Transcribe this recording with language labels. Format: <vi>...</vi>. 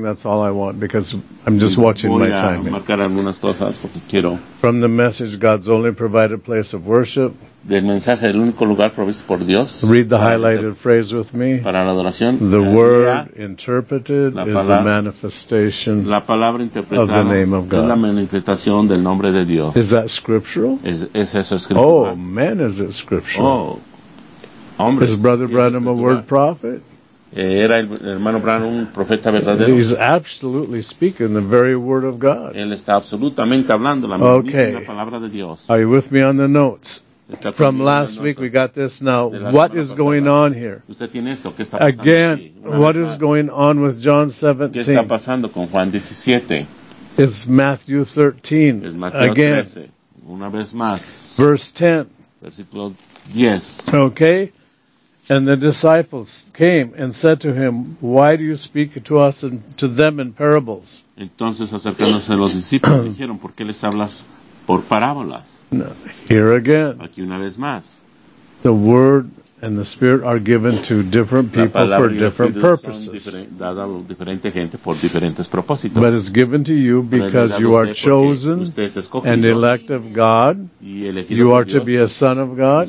<en>That's all I want because I'm just watching my time.</en> <es>Voy a marcar algunas cosas porque quiero.</es> <en>From the message, God's only provided place of worship.</en> <es>Del mensaje, el único lugar provisto por Dios.</es> <en>Read the highlighted phrase with me.</en> <es>Para la adoración.</es> <en>The word interpreted is the manifestation.</en> <es>La palabra interpretada</es> <en>of the name of God.</en> <es>Es la manifestación del nombre de Dios.</es> <en>Is that scriptural?</en> <es>Es eso scriptural?</es> <en>Oh man, is it scriptural?</en> <es>Oh, hombre,</es> <en>is Brother Branham a word prophet?</en> <es>Era el hermano Branham un profeta verdadero.</es> <en>He's absolutely speaking the very word of God.</en> <es>Él está absolutamente hablando la misma palabra de Dios.</es> <en>Are you with me on the notes? From last week we got this. Now, what is going on here?</en> <es>Usted tiene esto. ¿Qué está</es> <en>again, what is going on with John 17?</en> <es>¿Qué está pasando con Juan 17?</es> <en>It's Matthew 13.</en> <es>Es Mateo</es> <en>again.</en> <es>13. Una vez más.</es> <en>Verse 10.</en> <es>Versículo 10.</es> <en>Okay. And the disciples came and said to him, "Why do you speak to us and to them in parables?"</en> <es>Entonces acercándose los discípulos dijeron, "¿Por qué les hablas por parábolas?"</es> <en>Here again.</en> <es>Aquí una vez más.</es> <en>The word and the spirit are given to different people for different purposes.</en> <es>Dada a diferente gente por diferentes propósitos.</es> <en>But it's given to you because you are chosen and elect of God. You are to be a son of God.</en>